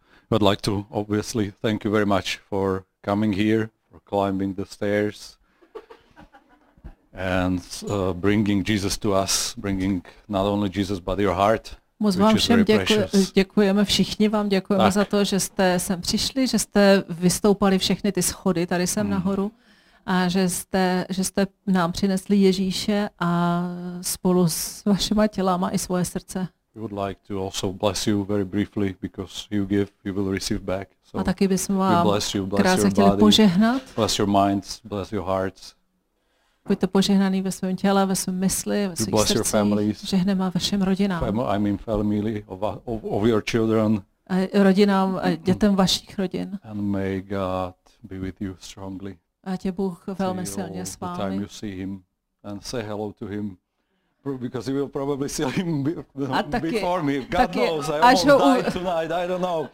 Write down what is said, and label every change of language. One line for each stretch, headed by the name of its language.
English: I'd like to obviously thank you very much for coming here, for climbing the stairs. And bringing Jesus to us, bringing not only Jesus but your heart,
Czech: moc vám všem děkujeme, všichni vám děkujeme tak za to, že jste sem přišli, že jste vystoupali všechny ty schody tady sem nahoru a že jste nám přinesli Ježíše a spolu s vašima tělama i svoje srdce.
English: We would like to also bless you very briefly because you give, you will receive back.
Czech: So a taky bychom vám krásně chtěli požehnat.
English: Bless your minds, bless your hearts.
Czech: Buďte požehnaný ve svém těle, ve svém mysli, ve svých srdcích, žehneme a vašim rodinám.
English: I mean family of your children.
Czech: A rodinám a dětem vašich rodin.
English: And may God be with you strongly.
Czech: Ať je Bůh velmi silně s vámi.
English: The time you see him and say hello to him. Because you will probably see him before me. God knows, I almost died tonight, I don't know.